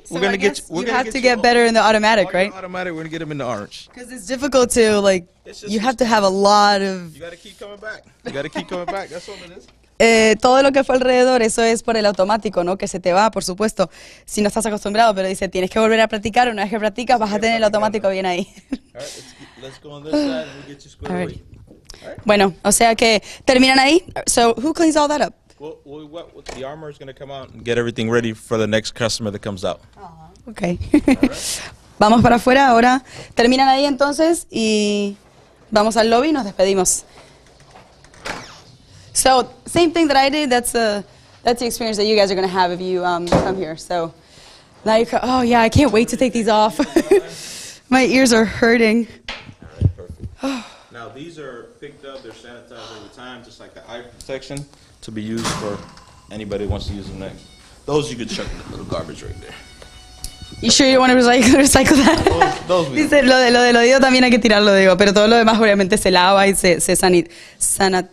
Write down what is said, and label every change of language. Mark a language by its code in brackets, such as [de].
[en] so we're gonna I guess get you. We're you have get to you get better in the automatic, right? Automatic, we're gonna get them in the orange. Because it's difficult to, like, you have to have a lot of. You gotta keep coming back. That's all it is. [es] Todo lo que fue alrededor, eso es por el automático, ¿no? Que se te va, por supuesto. Si no estás acostumbrado, pero dice, tienes que volver a practicar. Una vez que practicas, vas a tener el automático bien ahí. [en] All right, let's go on this side and we'll get you squared away. [es] Bueno, o sea que terminan ahí. [en] So, who cleans all that up? Well, the armor is going to come out and get everything ready for the next customer that comes out. Uh-huh. Okay. Right. [es] Vamos para afuera ahora. Terminan ahí entonces y vamos al lobby y nos despedimos. [en] So, same thing that I did, that's the experience that you guys are going to have if you come here. So, now you oh yeah, I can't wait to take these off. My ears are hurting. Alright, perfect. Now these are picked up, they're sanitized over time, just like the eye protection. To be used for anybody who wants to use them next. Those you could chuck in the little garbage right there. You sure you want to recycle that? Those we do. [es] Lo del oído también hay que tirarlo, digo, pero todo lo demás obviamente se lava y se sanitiza.